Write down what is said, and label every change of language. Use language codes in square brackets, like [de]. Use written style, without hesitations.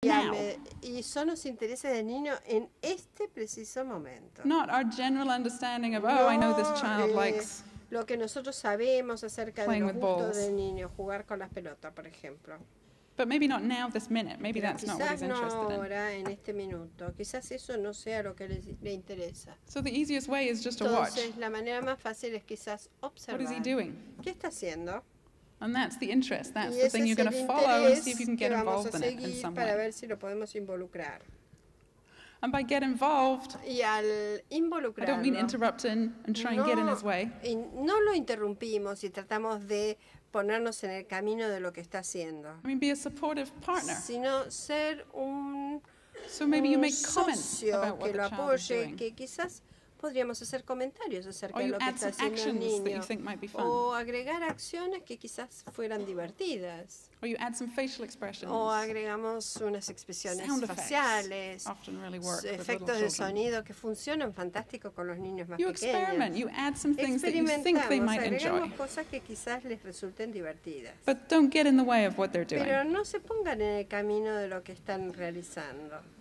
[es] y son los intereses del niño en este preciso momento. [en] Not our general understanding of, oh, I know this child likes [es] lo que nosotros sabemos acerca de los gustos del niño, jugar con las pelotas, por ejemplo. [en] But maybe not now, this minute. Maybe that's not what he's interested in. [es] Ahora, en este minuto. Quizás eso no sea lo que le interesa. [en] So the easiest way is just [es] entonces, [en] to watch. [es] La manera más fácil es quizás observar. [en] What is he doing? [es] ¿Qué está haciendo? [en] And that's the interest. That's the thing you're going to follow and see if you can get involved in it in some way. [es] Para ver si lo podemos involucrar. [en] And by get involved, [es] y al involucrarlo, [en] I don't mean interrupt him and try and get in his way. [es] No lo interrumpimos y tratamos de ponernos en el camino de lo que está haciendo. [en] I mean, be a supportive partner. [es] Sino ser un, [en] so maybe [es] un [en] you make comments [es] socio [en] about what [es] que lo apoye, [en] the child is doing. [es] Que quizás podríamos hacer comentarios acerca de lo que está haciendo el niño. [en] That you think might be fun. [es] O agregar acciones que quizás fueran divertidas. [en] Or you add some facial expressions. [es] O agregamos unas expresiones [en] sound [es] faciales. [en] Often really work [es] efectos [en] with [es] de sonido que funcionan fantástico con los niños más [en] you [es] pequeños. [en] Experiment. You add some things that you think they might enjoy. [es] Agregamos cosas que quizás les resulten divertidas. [en] But don't get in the way of what they're doing. [es] Pero no se pongan en el camino de lo que están realizando.